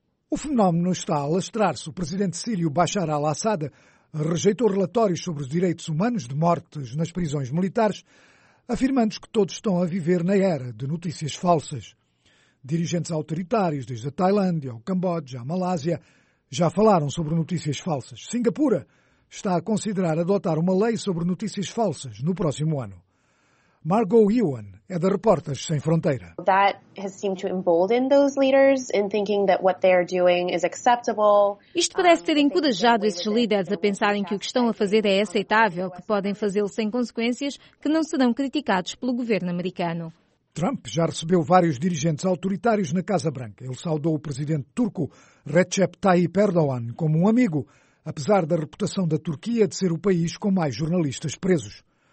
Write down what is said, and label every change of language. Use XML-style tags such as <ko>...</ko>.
<pt>O fenómeno está a alastrar-se. O presidente sírio Bashar al-Assad rejeitou relatórios sobre os direitos humanos de mortes nas prisões militares, afirmando que todos estão a viver na era de notícias falsas. Dirigentes autoritários, desde a Tailândia ao Camboja, à Malásia, já falaram sobre notícias falsas. Singapura está a considerar adotar uma lei sobre notícias falsas no próximo ano. Margot Ewan é da Repórteres Sem Fronteira.</pt> <en>That has seemed to embolden those leaders in thinking that what they are doing is acceptable.</en> <pt>Isto parece ter encorajado esses líderes a pensarem que o que estão a fazer é aceitável, que podem fazê-lo sem consequências, que não serão criticados pelo governo americano. Trump já recebeu vários dirigentes autoritários na Casa Branca. Ele saudou o presidente turco Recep Tayyip Erdogan como um amigo, apesar da reputação da Turquia de ser o país com mais jornalistas presos.</pt>